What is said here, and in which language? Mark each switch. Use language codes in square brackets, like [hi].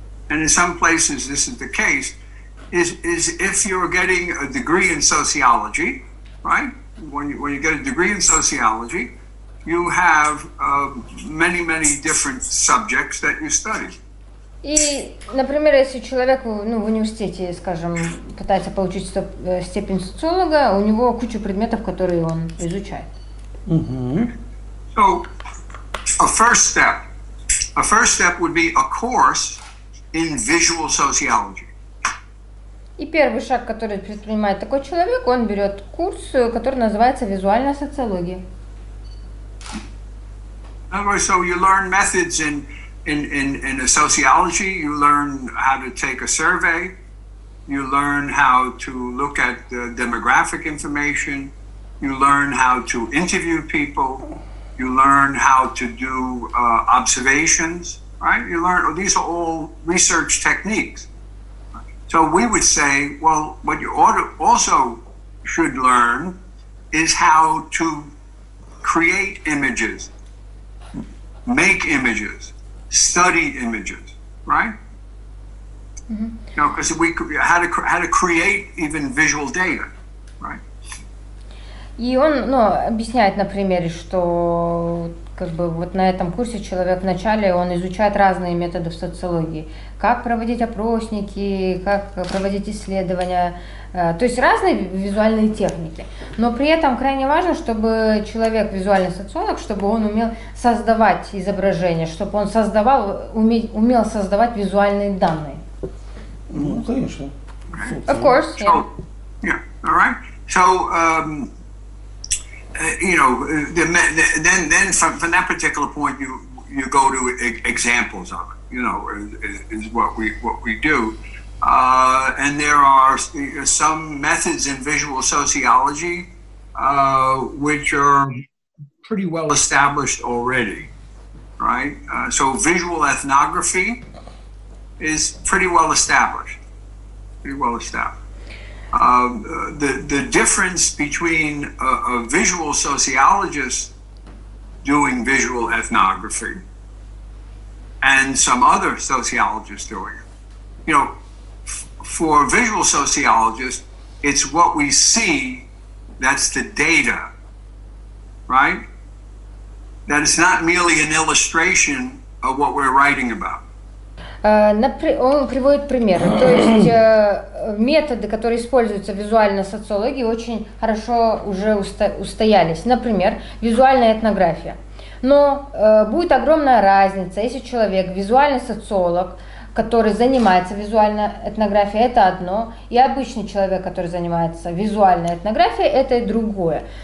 [en] And in some places this is the case, is if you're getting a degree in sociology, right? When you get a degree in sociology, you have many, many different subjects that you study. [ru] И, например, если человек в университете, скажем, пытается получить степень социолога, у него куча предметов, которые он изучает. Mm-hmm. [en] So, a first step would be a course in visual sociology. [ru] И первый шаг, который предпринимает такой человек, он берет курс, который называется «Визуальная социология». [en] So you learn methods in a sociology, you learn how to take a survey, you learn how to look at the demographic information, you learn how to interview people, you learn how to do observations, right? You learn, these are all research techniques. So we would say, well, what you also should learn is how to create images, make images, study images, right? Mm-hmm. You know, because we how to create even visual data, right? [ru] И он, ну, объясняет на примере, что как бы вот на этом курсе человек вначале он изучает разные методы в социологии, как проводить опросники, как проводить исследования, то есть разные визуальные техники. Но при этом крайне важно, чтобы человек, визуальный социолог, чтобы он умел создавать изображения, чтобы он создавал, умел создавать визуальные данные. Ну, конечно. [en] Of course. Yeah. Alright. So, from that particular point, you go to examples of it. You know, is what we do, and there are some methods in visual sociology which are pretty well established already, right? So visual ethnography is pretty well established. Pretty well established. The difference between a visual sociologist doing visual ethnography and some other sociologists doing it, you know, for a visual sociologist, it's what we see that's the data, right? That is not merely an illustration of what we're writing about. [ru] Он приводит примеры, то есть методы, которые используются в визуальной социологии, очень хорошо уже устоялись. Например, визуальная этнография. Но будет огромная разница, если человек, визуальный социолог, который занимается визуальной этнографией, это одно, и обычный человек, который занимается визуальной этнографией, это и другое.